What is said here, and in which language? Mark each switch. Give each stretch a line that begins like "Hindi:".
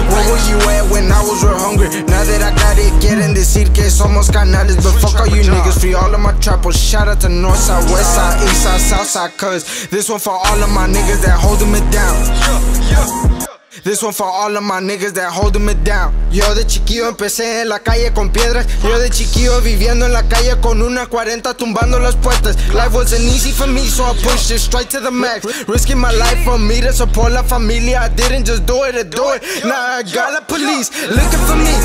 English: Where were you at when I was real hungry? Now that I got it,
Spanish: quieren decir que somos canales,
English: but fuck all you niggas, free all of my trappers. Shout out to Northside, Westside, Eastside, Southside, cuz this one for all of my niggas that holding me down. This one for all of my niggas that holding me down.
Spanish: Yo de chiquillo empecé en la calle con piedras. Yo de chiquillo viviendo en la calle con una 40 tumbando las puertas.
English: Life wasn't easy for me, so I pushed it straight to the max. Risking my life for me to support
Spanish: la familia.
English: I didn't just do it. Now I got the police looking for me.